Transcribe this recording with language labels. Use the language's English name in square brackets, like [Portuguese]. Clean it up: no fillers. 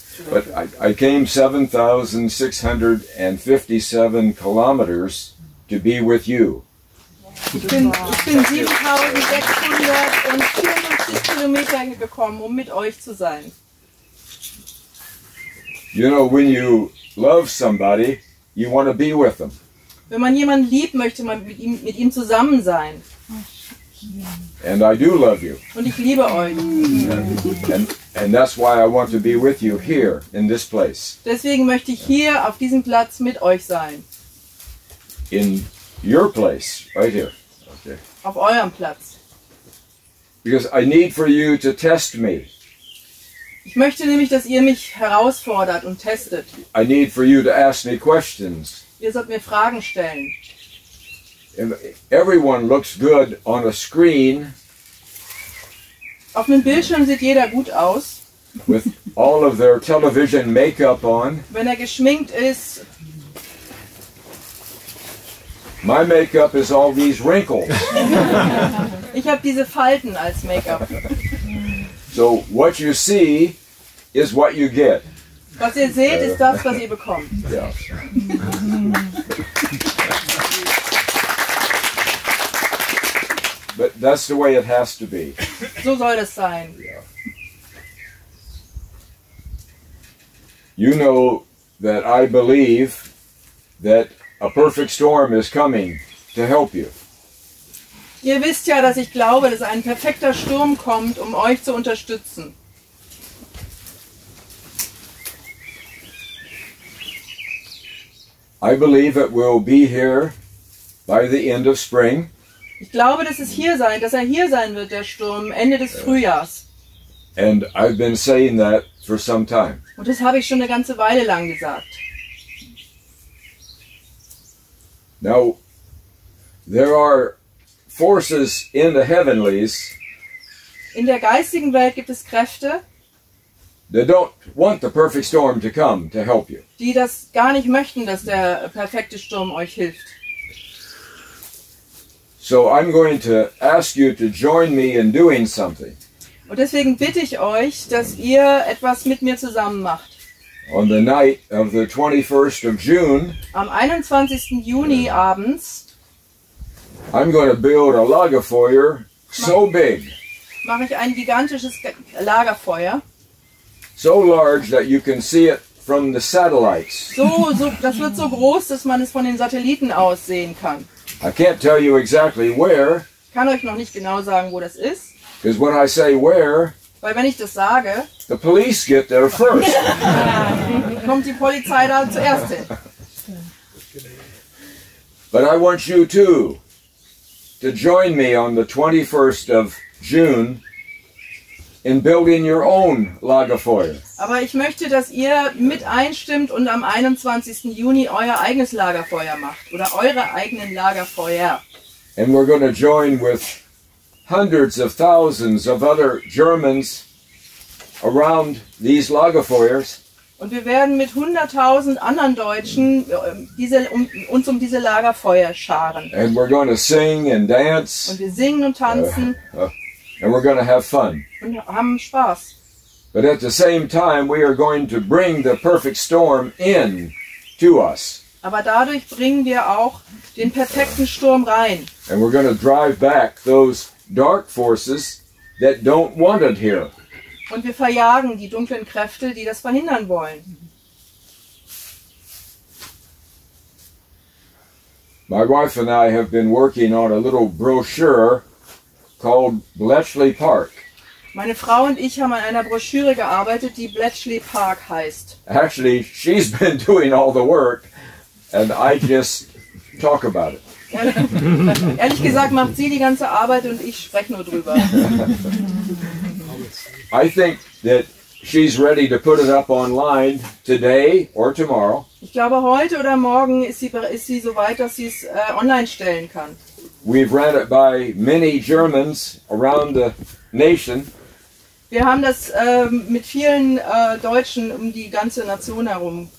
[English] But I came 7,657 kilometers to be with you. [German] Ich bin 7,654 Kilometer gekommen, um mit euch zu sein. [English] You know, when you love somebody, you want to be with them. [German] Wenn man jemanden liebt, möchte man mit ihm zusammen sein. [English] And I do love you. [German] Und ich liebe euch. [English] And that's why I want to be with you here in this place. [German] Deswegen möchte ich hier auf diesem Platz mit euch sein. [English] In your place, right here. [German] Okay. Auf eurem Platz. [English] Because I need for you to test me. [German] Ich möchte nämlich, dass ihr mich herausfordert und testet. [English] I need for you to ask me questions. [German] Ihr sollt mir Fragen stellen. [English] Everyone looks good on a screen. [German] Auf einem Bildschirm sieht jeder gut aus. [English] With all of their television makeup on. [German] Wenn er geschminkt ist. [English] My makeup is all these wrinkles. [German] Ich habe diese Falten als Make-up. [English] So what you see is what you get. [German] Was ihr seht, ist das, was ihr bekommt. [English] Yeah. But that's the way it has to be. [German] So soll das sein. [English] You know that I believe that a perfect storm is coming to help you. [German] Ihr wisst ja, dass ich glaube, dass ein perfekter Sturm kommt, um euch zu unterstützen. [English] I believe it will be here by the end of spring. [German] Ich glaube, dass es hier sein, dass er hier sein wird, der Sturm Ende des Frühjahrs. [English] And I've been saying that for some time. [German] Und das habe ich schon eine ganze Weile lang gesagt. [English] Now, there are forces in the heavenlies. [German] In der geistigen Welt gibt es Kräfte. [English] They don't want the perfect storm to come to help you. [German] Die das gar nicht möchten, dass der perfekte Sturm euch hilft. [English] So I'm going to ask you to join me in doing something. [German] Und deswegen bitte ich euch, dass ihr etwas mit mir zusammen macht. [English] On the night of the 21st of June. [German] Am 21. Juni abends. [English] I'm going to build a Lagerfeuer so big. [German] Mache ich ein gigantisches Lagerfeuer. [English] So large that you can see it from the satellites. [German] So das wird so groß, dass man es von den Satelliten aus sehen kann. [English] I can't tell you exactly where. [German] Kann euch noch nicht genau sagen, wo das ist. [English] Because when I say where, [German] weil wenn ich das sage, [English] the police get there first. [German] Kommt die Polizei da zuerst hin. [English] But I want you too to join me on the 21st of June. In building your own Lagerfeuer. [German] Aber ich möchte, dass ihr mit einstimmt und am 21. Juni euer eigenes Lagerfeuer macht oder eure eigenen Lagerfeuer. [English] And we're going to join with hundreds of thousands of other Germans around these Lagerfeuers. [German] Und wir werden mit 100.000 anderen Deutschen uns um diese Lagerfeuer scharen. [English] And we're going to sing and dance. [German] Und wir singen und tanzen. [English] And we're going to have fun. [German] Und haben Spaß. [English] But at the same time, we are going to bring the perfect storm in to us. [German] Aber dadurch bringen wir auch den perfekten Sturm rein. [English] And we're going to drive back those dark forces that don't want it here. [German] Und wir verjagen die dunklen Kräfte, die das verhindern wollen. [English] My wife and I have been working on a little brochure called Bletchley Park. [German] Meine Frau und ich haben an einer Broschüre gearbeitet, die Bletchley Park heißt. [English] Actually, she's been doing all the work and I just talk about it. [German] Ehrlich gesagt, macht sie die ganze Arbeit und ich spreche nur drüber. [English] I think that she's ready to put it up online today or tomorrow. [German] Ich glaube, heute oder morgen ist sie so weit, dass sie es online stellen kann. [English] We've read it by many Germans around the nation. [German] Wir haben das mit vielen Deutschen um die ganze Nation herum.